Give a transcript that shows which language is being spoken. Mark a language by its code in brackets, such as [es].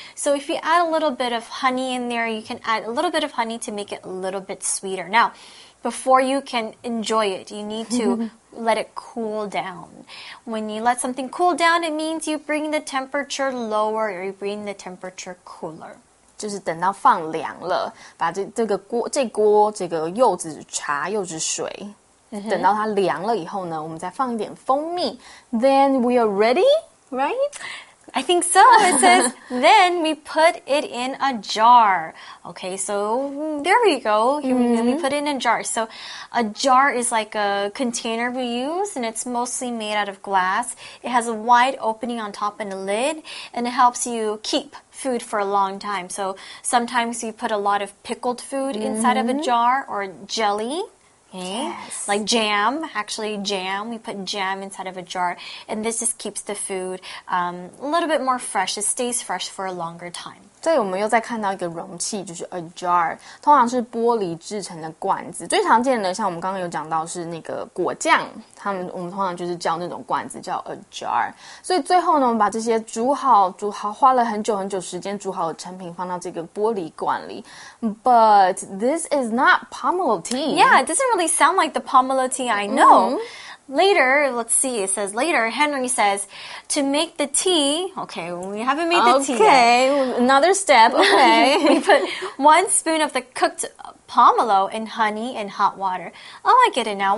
[en] So if you add a little bit of honey in there, you can add a little bit of honey to make it a little bit sweeter. Now, before you can enjoy it, you need to let it cool down. When you let something cool down, it means you bring the temperature lower or you bring the temperature cooler. [zh] 就是等到放凉了，把这个柚子水、等到它凉了以后呢，我们再放一点蜂蜜。 [en] Then we are ready, right? I think so. It says, then we put it in a jar. Okay, so there we go. Here we put it in a jar. So a jar is like a container we use, and it's mostly made out of glass. It has a wide opening on top and a lid, and it helps you keep... food for a long time. So sometimes you put a lot of pickled food inside of a jar or jelly. Yes. Like jam, actually jam. We put jam inside of a jar. And this just keeps the food a little bit more fresh. It stays fresh for a longer time. [zh] 对，我们又再看到一个容器，就是 a jar, 通常是玻璃制成的罐子。最常见的，像我们刚刚有讲到是那个果酱，我们通常就是叫那种罐子叫 a jar。所以最后呢，我们把这些煮好，花了很久很久时间煮好的成品放到这个玻璃罐里。 [en] But this is not pomelo tea. Yeah, it doesn't really sound like the pomelo tea I know. Later, let's see, it says later, Henry says, to make the tea, okay, we haven't made the tea yet. Okay, another step, okay. We put one spoon of the cooked pomelo in honey and hot water. Oh, I get it now.